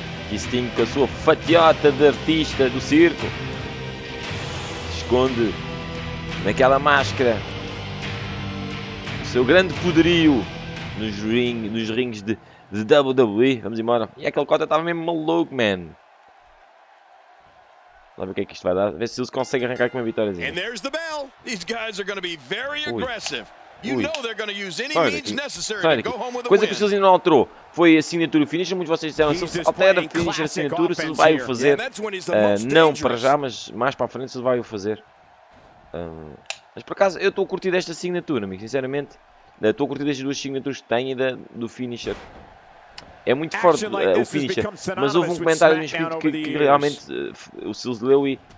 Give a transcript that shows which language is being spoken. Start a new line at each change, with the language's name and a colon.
Portuguese: E Sting, com a sua fatiota de artista do circo, esconde naquela máscara o seu grande poderio nos rings de WWE. Vamos embora. E aquele cota estava mesmo maluco, man. Vamos ver o que é que isto vai dar. Vê se eles conseguem arrancar com uma vitória. E aí está a bell. Estes caras vão ser muito agressivos.
English: You know they're going to use any means necessary to go home with a win.
Portuguese: Coisa que o Silvio não alterou foi a assinatura e o finish. Muitos de vocês disseram, Silvio altera o finish e a assinatura, o Silvio vai o fazer. Não para já, mas mais para a frente o Silvio vai o fazer. Mas por acaso, eu estou a curtir desta assinatura, amigo, sinceramente. Estou a curtir destas duas assinaturas que tenho e do finisher. É muito forte o finisher, mas houve um comentário inscrito que realmente o Silvio leu e...